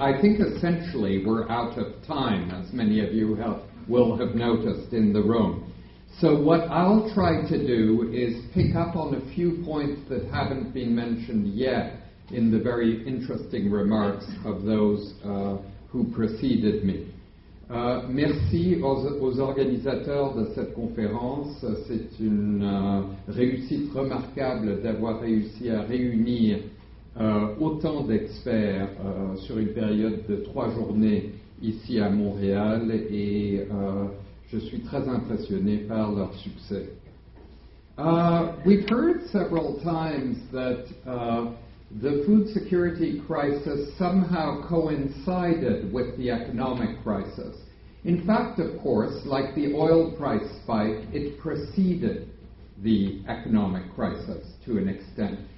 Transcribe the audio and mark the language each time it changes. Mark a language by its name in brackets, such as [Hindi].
[English] I think essentially we're out of time, as many of you will have noticed in the room. So what I'll try to do is pick up on a few points that haven't been mentioned yet in the very interesting remarks of those who preceded me. [French] Merci aux organisateurs de cette conférence. C'est une réussite remarquable d'avoir réussi à réunir autant d'experts sur une période de 3 journées ici à Montréal, et je suis très impressionné par leur succès. [English] We've heard several times that the food security crisis somehow coincided with the economic crisis. In fact, of course, like the oil price spike, it preceded the economic crisis to an extent.